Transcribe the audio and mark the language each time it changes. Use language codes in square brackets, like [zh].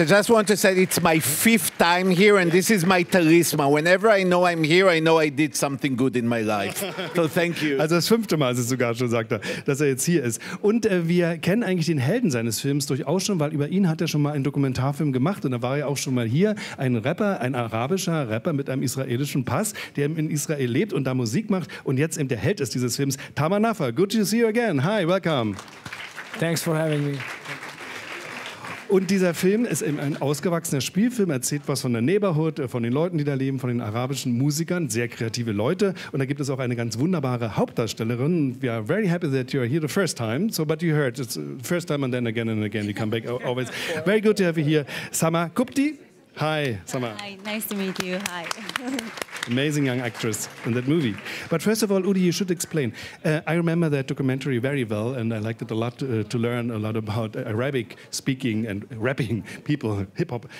[en] I just want to say it's my fifth time here, and this is my talisman. Whenever I know I'm here, I know I did something good in my life. So thank you. [de] Also das fünfte Mal ist es sogar schon, sagt er, dass er jetzt hier ist. Und wir kennen eigentlich den Helden seines Films durchaus schon, weil über ihn hat er schon mal einen Dokumentarfilm gemacht. Und da war er auch schon mal hier, ein Rapper, ein arabischer Rapper mit einem israelischen Pass, der in Israel lebt und da Musik macht. Und jetzt eben der Held ist dieses Films, Tamer Naffa. [en] Good to see you again. Hi, welcome. Thanks for having me. [de] Und dieser Film ist eben ein ausgewachsener Spielfilm, erzählt was von der Neighborhood, von den Leuten, die da leben, von den arabischen Musikern, sehr kreative Leute. Und da gibt es auch eine ganz wunderbare Hauptdarstellerin. [en] We are very happy that you are here the first time. So, but you heard, it's the first time and again, you come back always. Very good to have you here. Samar Kupti. Hi, Samar. Hi, nice to meet you. Hi. Amazing young actress in that movie. But first of all, Udi, you should explain. I remember that documentary very well, and I liked it a lot to learn a lot about Arabic speaking and rapping people, hip-hop.